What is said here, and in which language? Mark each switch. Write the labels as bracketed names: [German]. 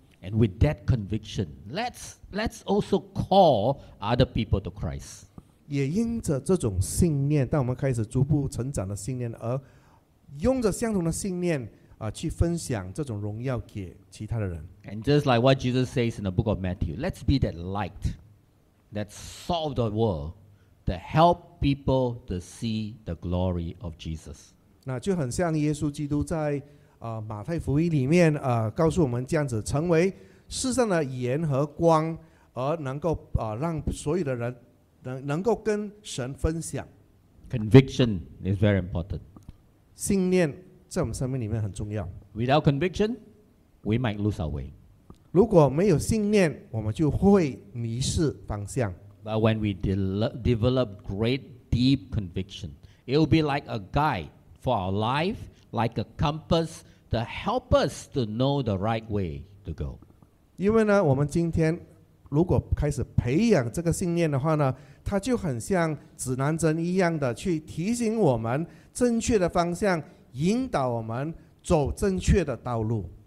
[English] And with that conviction, let's also call other people to Christ. [Chinese] 也因着这种信念，当我们开始逐步成长的信念，而用着相同的信念去分享这种荣耀给其他的人。 [English] And just like what Jesus says in the book of Matthew, let's be that light that solved the world, that help people to see the glory of Jesus. [Chinese] 那就很像耶稣基督在马太福音里面告诉我们这样子，成为世上的盐和光，而能够让所有的人能够跟神分享。 [English] Conviction is very important. [Chinese] 信念在我们生命里面很重要。 [English] Without conviction, we might lose our way. [Chinese] 如果没有信念，我们就会迷失方向。 [English] But when we develop great deep conviction, it will be like a guide. For our life, like a compass, to help us to know the right way to go. [Chinese] 因为呢，我们今天如果开始培养这个信念的话呢，它就很像指南针一样的去提醒我们正确的方向，引导我们走正确的道路。